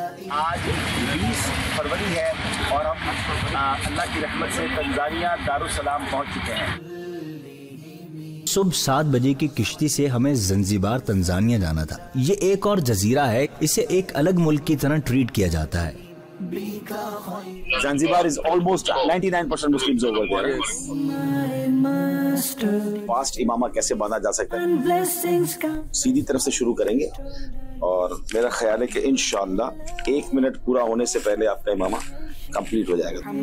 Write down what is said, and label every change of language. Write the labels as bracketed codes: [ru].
[ur] آج 20 فروری ہے اور ہم اللہ کی رحمت سے تنزانیہ دارالسلام پہنچ چکے ہیں. صبح 7 بجے کی کشتی سے ہمیں زنجیبار تنزانیہ جانا تھا. یہ ایک اور جزیرہ ہے, اسے ایک الگ ملک کی طرح ٹریٹ کیا جاتا ہے. [en] Zanzibar is almost 99% Muslims over there. [ur] Fast امامہ کیسے باندھا جا سکتا ہے؟ سیدھی طرف سے شروع کریں گے, اور میرا خیال ہے کہ انشاءاللہ 1 منٹ پورا ہونے سے پہلے آپ کا امامہ کمپلیٹ ہو جائے گا.